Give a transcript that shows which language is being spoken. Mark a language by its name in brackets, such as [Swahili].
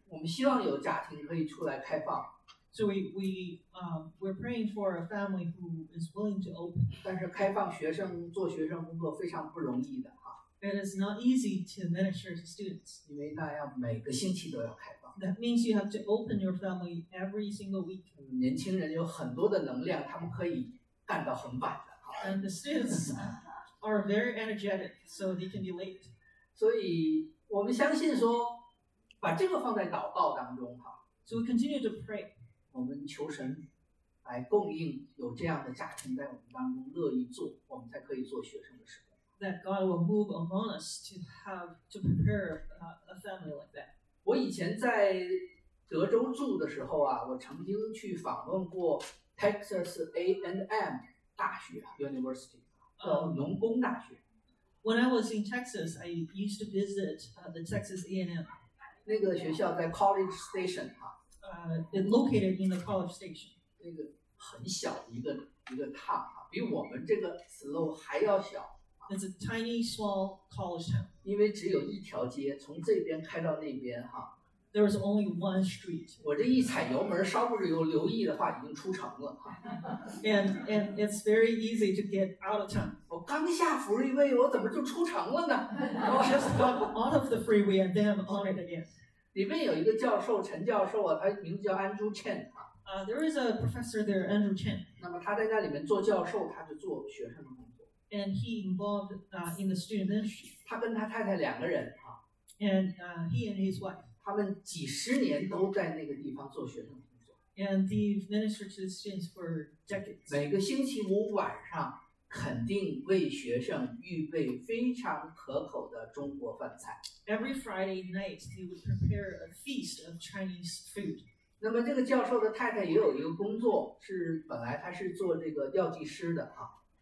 [Chinese] 我们希望有家庭可以出来开放。 [English] So we're praying for a family who is willing to open. [Chinese] 但是开放学生做学生工作非常不容易的。 [English] It is not easy to minister to students. [Chinese] 因为那要每个星期都要开放。 [English] That means you have to open your family every single week. [Chinese] 年轻人有很多的能量，他们可以干到很晚的。 [English] And the students are very energetic, so they can be late. [Chinese] 所以我们相信说，把这个放在祷告当中哈。 [English] So we continue to pray. [Chinese] 我们求神来供应有这样的家庭在我们当中乐意做，我们才可以做学生的事。 [English] That God will move among us to have to prepare a family like that. [Chinese] 我以前在德州住的时候啊，我曾经去访问过 Texas A&M 大学 University， 叫农工大学。 [English] When I was in Texas, I used to visit the Texas A&M. [Chinese] 那个学校在 College Station 哈。 [English] It located in the College Station. [Chinese] 那个很小的一个 town 哈，比我们这个 Slo 还要小。 [English] It's a tiny, small college town. [Chinese] 因为只有一条街，从这边开到那边哈。 [English] There is only one street. [Chinese] 我这一踩油门，稍不有留意的话，已经出城了哈。 [English] And it's very easy to get out of town. [Chinese] 我刚下福利位，我怎么就出城了呢？ [English] I just got out of the freeway and then I'm on it again. [Chinese] 里面有一个教授，陈教授啊，他名字叫 Andrew Chen 啊。 [English] There is a professor there, Andrew Chen. [Chinese] 那么他在那里面做教授，他就做学生的工作。 [English] And he involved in the student ministry. [Chinese] 他跟他太太两个人啊。 [English] And he and his wife. [Chinese] 他们几十年都在那个地方做学生工作。 [English] And they've ministered to the students for decades. [Chinese] 每个星期五晚上，肯定为学生预备非常可口的中国饭菜。 [English] Every Friday night, they would prepare a feast of Chinese food. [Chinese] 那么这个教授的太太也有一个工作，是本来他是做这个药剂师的啊。